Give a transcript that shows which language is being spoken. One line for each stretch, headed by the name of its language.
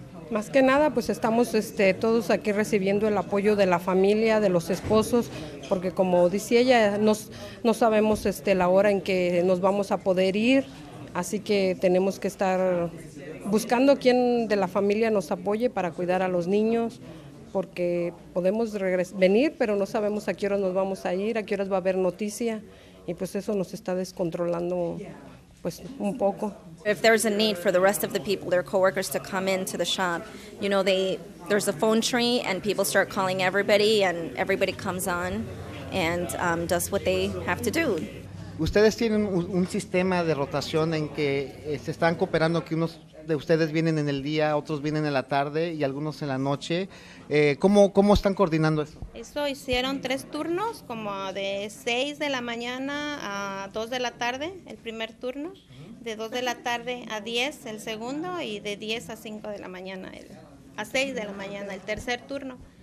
Spanish: Más que nada, pues estamos todos aquí recibiendo el apoyo de la familia, de los esposos, porque como dice ella, no sabemos la hora en que nos vamos a poder ir, así que tenemos que estar buscando quién de la familia nos apoye para cuidar a los niños, porque podemos venir, pero no sabemos a qué hora nos vamos a ir, a qué horas va a haber noticia, y pues eso nos está descontrolando pues un poco.
English: If there's a need for the rest of the people, their coworkers, to come into the shop, you know, there's a phone tree and people start calling everybody and everybody comes on and does what they have to do.
Spanish: Ustedes tienen un sistema de rotación en que se están cooperando, que unos de ustedes vienen en el día, otros vienen en la tarde y algunos en la noche. ¿Cómo están coordinando eso? Eso hicieron tres turnos, como de 6 de la mañana a 2 de la tarde, el primer turno, de 2 de la tarde a 10 el segundo y de 10 a 5 de la mañana, a 6 de la mañana el tercer turno.